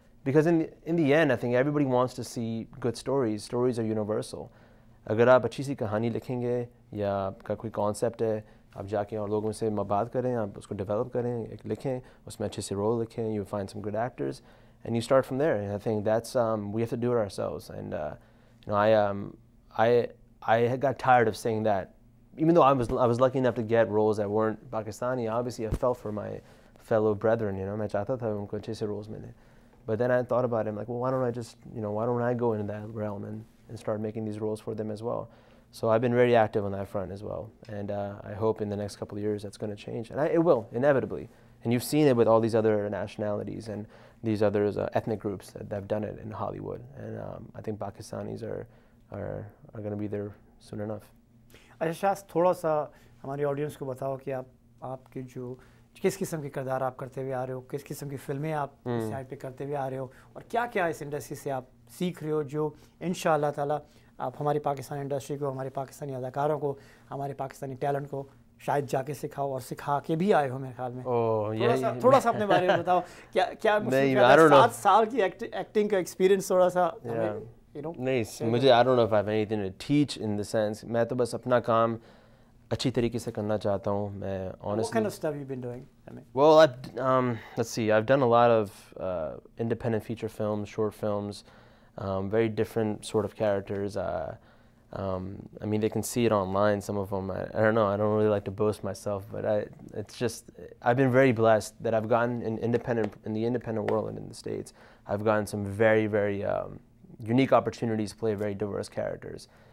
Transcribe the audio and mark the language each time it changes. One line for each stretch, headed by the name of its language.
English: Because in the end, I think everybody wants to see good stories. Stories are universal.
Hindi: Agar aap achhi si kahani likhenge ya aapka koi concept hai, आप जाके और लोगों से बात करें, आप उसको डेवलप करें, एक लिखें, उसमें अच्छे से रोल लिखें,
English: You find some good actors and you start from there. I think that's we have to do it ourselves. And you know, I got tired of saying that. Even though I was lucky enough to get roles that weren't Pakistani, obviously I felt for my fellow brethren, you know,
Hindi: मैं चाहता था उनको अच्छे से roles मिले.
English: But then I thought about it, like, well, why don't I just, you know, why don't I go in that realm and start making these roles for them as well. So I've been very active on that front as well. And I hope in the next couple of years that's going to change. And it will, inevitably. And you've seen it with all these other nationalities and these other ethnic groups that have done it in Hollywood. And I think Pakistanis are going to be there soon enough. Shaz, tell us a little bit about our audience. What kind of roles are you doing? What kind of films are you doing? And what are you learning from this industry?
Arabic: Inshallah, Allah.
Hindi: आप हमारी Pakistani industry को, हमारे पाकिस्तानी अदाकारों को, हमारे Pakistani talent को शायद जाके सिखाओ और सिखा के भी आए हो मेरे ख्याल में. थोड़ा सा अपने बारे में बताओ, क्या 7 साल की एक्टिंग का एक्सपीरियंस थोड़ा सा, यू नो. नहीं, मुझे
English: I don't know if I have anything to teach in the sense.
Hindi: मैं तो बस अपना काम अच्छी तरीके से करना चाहता हूं. मैं
English: Honestly, what kind of stuff you been doing? Well, let's see, I have done a lot of independent feature films, short films, very different sort of characters. I mean, they can see it online, some of them. I don't know. I don't really like to boast myself, but it's just, I've been very blessed that I've gotten in the independent world and in the States, I've gotten some very, very unique opportunities to play very diverse characters.